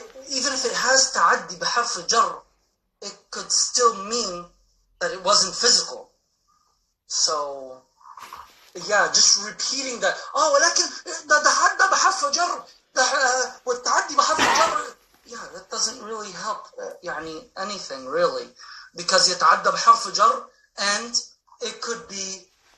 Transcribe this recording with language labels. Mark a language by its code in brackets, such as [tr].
[en] Even if it has [ar] تعدي بحرف جر, [en] it could still mean that it wasn't physical. So, yeah, just repeating that. [ar] Oh, ولكن تعدى بحرف جر والتعدي بحرف جر. [en] Yeah, that doesn't really help. يعني anything really, because [ar] يتعدى بحرف جر [en] and it could be.